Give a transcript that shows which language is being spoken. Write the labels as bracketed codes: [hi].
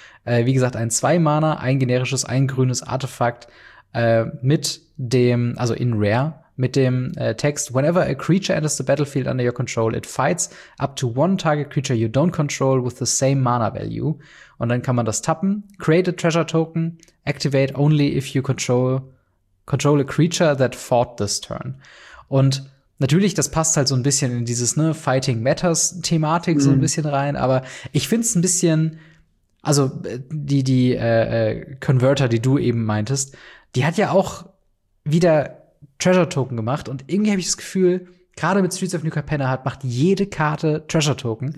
[de] Wie gesagt, ein 2-Mana, ein generisches, ein grünes Artefakt mit dem, also in Rare, mit dem Text, [en] whenever a creature enters the battlefield under your control, it fights up to one target creature you don't control with the same mana value. [de] Und dann kann man das tappen. [en] Create a treasure token. Activate only if you control a creature that fought this turn. [de] Und natürlich, das passt halt so ein bisschen in dieses, ne, Fighting Matters Thematik so ein bisschen rein. Aber ich find's ein bisschen, also die Converter, die du eben meintest, die hat ja auch wieder Treasure Token gemacht und irgendwie habe ich das Gefühl, gerade mit Streets of New Capenna macht jede Karte Treasure Token.